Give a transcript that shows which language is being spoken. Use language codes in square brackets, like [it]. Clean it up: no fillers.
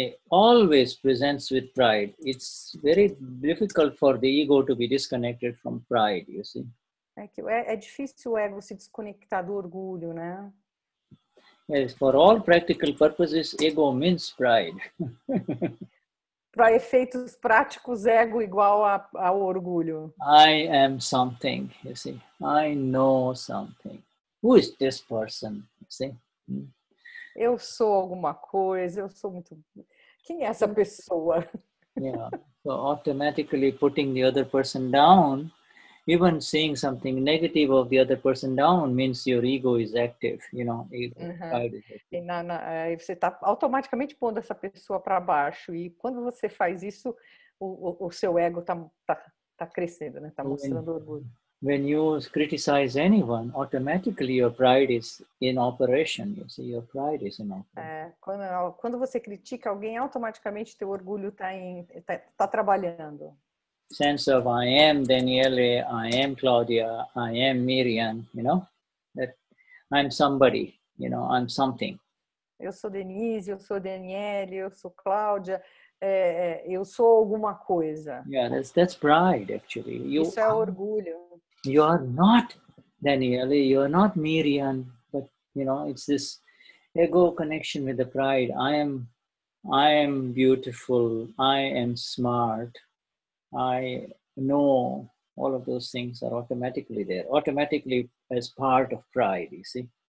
[en] Always presents with pride. It's very difficult for the ego to be disconnected from pride, you see. [pt] É difícil o ego se desconectar do orgulho, né? [en] Yes, for all practical purposes, ego means pride. [pt] Para efeitos práticos, ego igual ao orgulho. [en] I am something, you see. I know something. Who is this person, you see? [pt] Eu sou alguma coisa, eu sou muito... Quem é essa pessoa? [en] Yeah, so automatically putting the other person down, even seeing something negative of the other person down means your ego is active, you know. Uh-huh. [pt] E você está automaticamente pondo essa pessoa para baixo. E quando você faz isso, o seu ego tá crescendo, né? Tá mostrando orgulho. [en] When you criticize anyone, automatically your pride is in operation. You see, your pride is in operation. [pt] Quando você critica alguém, automaticamente teu orgulho tá trabalhando. [en] Sense of I am Daniele, I am Claudia, I am Miriam, you know, that I'm somebody, you know, I'm something. [pt] Eu sou Denise, eu sou Daniele, eu sou Claudia, eu sou alguma coisa. [en] Yeah, that's pride, actually. [pt] Isso é orgulho. [en] You are not Daniele, you are not Miriam, but, you know, it's this ego connection with the pride. I am beautiful, I am smart. I know all of those things are automatically there, automatically as part of pride, you see?